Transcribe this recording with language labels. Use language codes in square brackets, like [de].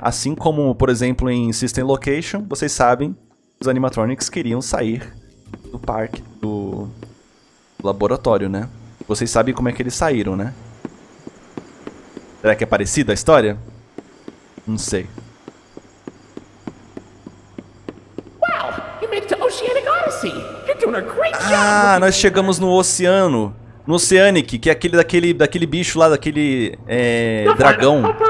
[pt] Assim como, por exemplo, em System Location, vocês sabem, os animatronics queriam sair do parque, do laboratório, né? Vocês sabem como é que eles saíram, né? Será que é parecida a história? Não sei. [en] Wow, you made it to Oceanic Odyssey. You're doing a great job. [pt] Ah, nós chegamos no oceano. No Oceanic, que é aquele daquele bicho lá, daquele dragão.